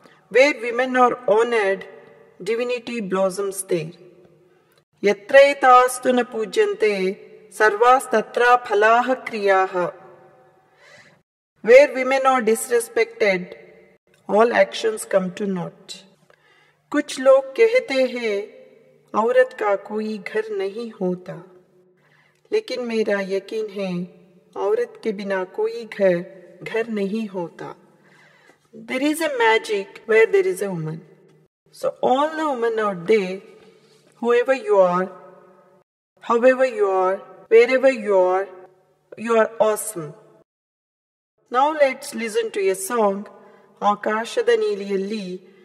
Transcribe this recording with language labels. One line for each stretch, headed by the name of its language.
English: Where women are honored, divinity blossoms there.
Sanskrit: Yatra Etastu Na Pujyante Sarvas Tatra Phalaha Kriyaha.
English: Where women are disrespected, all actions come to naught.
Hindi: कुछ लोग कहते हैं औरत का कोई घर नहीं होता, लेकिन मेरा यकीन है औरत के बिना कोई घर नहीं होता.
English: There is a magic where there is a woman. So all the women out there, whoever you are, however you are, wherever you are awesome. Now let's listen to a song, Akashada Neeliyalli.